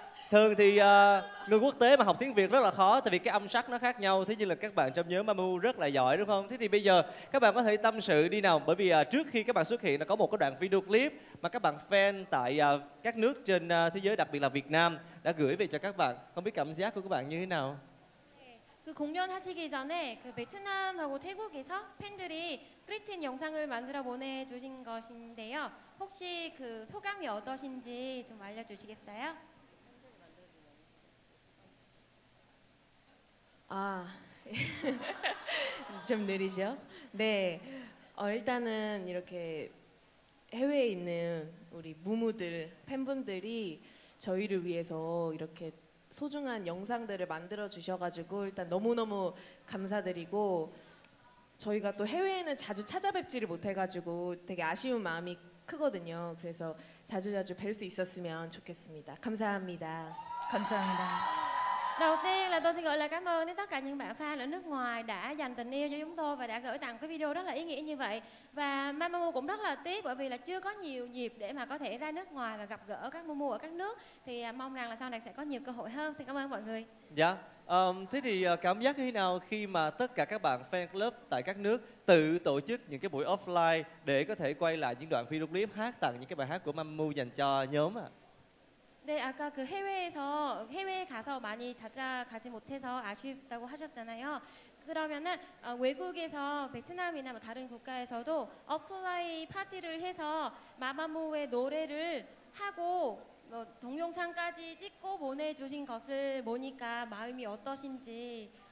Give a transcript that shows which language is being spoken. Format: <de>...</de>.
<vi>Thường thì người quốc tế mà học tiếng Việt rất là khó, tại vì cái âm sắc nó khác nhau. Thế nhưng là các bạn trong nhóm Mamu rất là giỏi đúng không? Thế thì bây giờ các bạn có thể tâm sự đi nào. Bởi vì trước khi các bạn xuất hiện, nó có một cái đoạn video clip mà các bạn fan tại các nước trên thế giới, đặc biệt là Việt Nam, đã gửi về cho các bạn. Không biết cảm giác của các bạn như thế nào?</vi> <ko>그 공연하시기 전에 그 베트남하고 태국에서 팬들이 그리팅 영상을 만들어 보내주신 것인데요. 혹시 그 소감이 어떠신지 좀 알려주시겠어요? 아, 좀 느리죠? 네, 일단은 이렇게 해외에 있는 우리 무무들, 팬분들이 저희를 위해서 이렇게 소중한 영상들을 만들어 주셔가지고 일단 너무너무 감사드리고 저희가 또 해외에는 자주 찾아뵙지를 못해가지고 되게 아쉬운 마음이 크거든요. 그래서 자주자주 뵐 수 있었으면 좋겠습니다. 감사합니다. 감사합니다.</ko> <vi>Đầu tiên là tôi xin gửi lời cảm ơn đến tất cả những bạn fan ở nước ngoài đã dành tình yêu cho chúng tôi và đã gửi tặng cái video rất là ý nghĩa như vậy. Và Mamamoo cũng rất là tiếc bởi vì là chưa có nhiều dịp để mà có thể ra nước ngoài và gặp gỡ các Mamamoo ở các nước. Thì mong rằng là sau này sẽ có nhiều cơ hội hơn. Xin cảm ơn mọi người. Dạ, thế thì cảm giác như thế nào khi mà tất cả các bạn fan club tại các nước tự tổ chức những cái buổi offline để có thể quay lại những đoạn video clip hát tặng những cái bài hát của Mamamoo dành cho nhóm ạ?</vi> <ko>네, 아까 그 해외에서 해외에 가서 많이 찾아가지 못해서 아쉽다고 하셨잖아요. 그러면은 외국에서 베트남이나 뭐 다른 국가에서도 어플라이 파티를 해서 마마무의 노래를 하고 뭐 동영상까지 찍고 보내 주신 것을 보니까 마음이 어떠신지.</ko>